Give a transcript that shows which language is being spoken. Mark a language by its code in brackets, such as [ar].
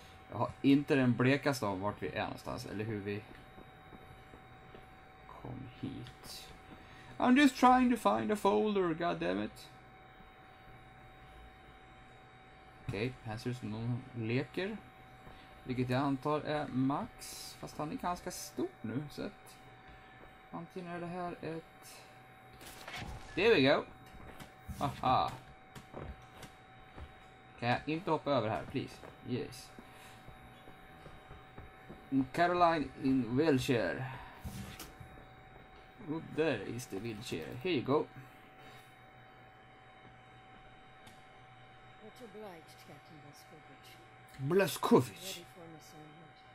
[sv] Jag har inte den blekaste av vart vi är någonstans, eller hur vi kom hit. [en] I'm just trying to find a folder, goddammit. [sv] Okej, här ser det ut som någon leker. Vilket jag antar är Max, fast han är ganska stor nu, så att antingen är det här ett... [en] There we go! Haha! [sv] Kan jag inte hoppa över här, please? [en] Yes. Caroline in wheelchair. Oh, there is the wheelchair. Here you go. Much obliged, Captain Blazkowicz. Blazkowicz! Ready for an assignment.